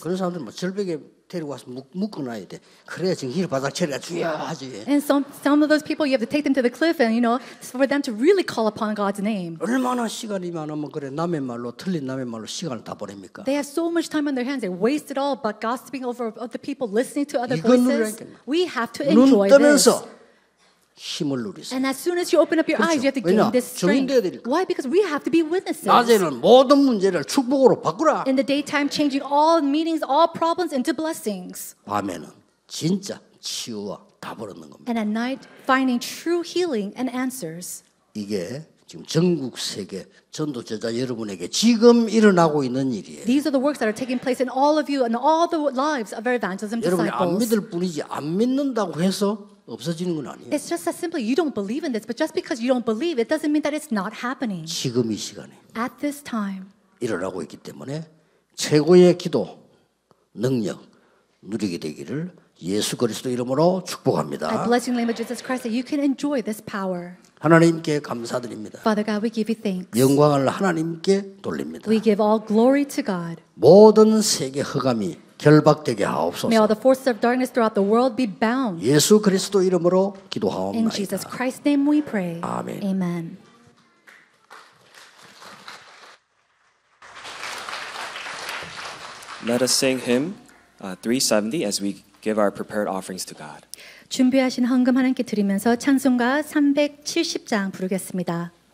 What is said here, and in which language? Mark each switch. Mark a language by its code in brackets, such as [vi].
[ko] 그런 사람들 뭐 절벽에 데리고 와서 묶어놔야 돼. 그래야 정신이 바닥처리가 중요하지. [en] And some of those people, you have to take them to the cliff and you know for them to really call upon God's name. [ko] 얼마나 시간이 많으면 그래 남의 말로 틀린 남의 말로 시간을 다 보냅니까? [en] They have so much time on their hands, they waste it all but gossiping over the people, listening to other voices. We have to enjoy this. [ko] 힘을 누리세요. [en] And as soon as you open up your [ko] 그렇죠. [en] eyes, you have to gain [ko] 왜냐? [en] this strength. Why? Because we have to be witnesses. [ko] 낮에는 모든 문제를 축복으로 바꾸라. [en] In the daytime, changing all meetings, all problems into blessings. [ko] 밤에는 진짜 치유와 답을 얻는 겁니다. [en] And at night, finding true healing and answers. [ko] 이게 지금 전국 세계 전도 제자 여러분에게 지금 일어나고 있는 일이에요. [en] These are the works that are taking place in all of you and all the lives of our evangelism disciples. [ko] 여러분 안 믿을 뿐이지 안 믿는다고 해서. 없어지는 건 아니에요. [en] It's just that simply you don't believe in this, but just because you don't believe, it doesn't mean that it's not happening. [ko] 지금 이 시간에. [en] At this time. [ko] 일어나고 있기 때문에 최고의 기도 능력 누리게 되기를 예수 그리스도 이름으로 축복합니다. [en] I bless you in the name of Jesus Christ that you can enjoy this power. [ko] 하나님께 감사드립니다. [en] Father God, we give you thanks. [ko] 영광을 하나님께 돌립니다. [en] We give all glory to God. [ko] 모든 세계 허감이 결박되게 하옵소서. [en] May all the forces of darkness throughout the world be bound. [ko] 예수 그리스도 이름으로 기도하옵나이다. [en] In Jesus Christ's name we pray. Amen. Amen. 370 as we give our prepared offerings to God. [ko] 준비하신 헌금 하나님께 드리면서 찬송가 370장 부르겠습니다.